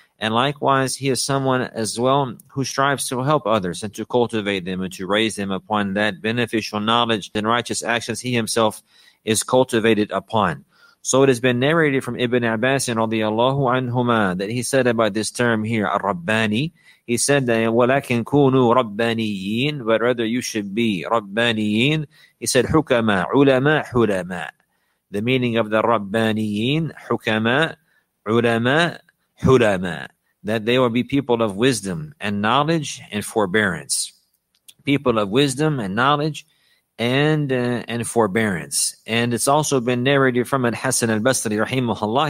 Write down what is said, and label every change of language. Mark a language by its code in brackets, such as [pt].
[en] And likewise, he is someone as well who strives to help others and to cultivate them and to raise them upon that beneficial knowledge and righteous actions he himself is cultivated upon. So it has been narrated from Ibn Abbas radiallahu anhuma that he said about this term here, al-Rabbani. He said that, [ar] وَلَكِنْ كُونُوا رَبَّانِيِّينَ, [en] but rather you should be رَبَّانِيِّينَ. He said, [ar] حُكَمَا عُلَمَا حُلَمَا. [en] The meaning of the رَبَّانِيِّين, [ar] حُكَمَا عُلَمَا حُلَمَا. [en] That they will be people of wisdom and knowledge and forbearance. People of wisdom and knowledge and forbearance. And it's also been narrated from Al-Hasan al-Basri rahimahullah.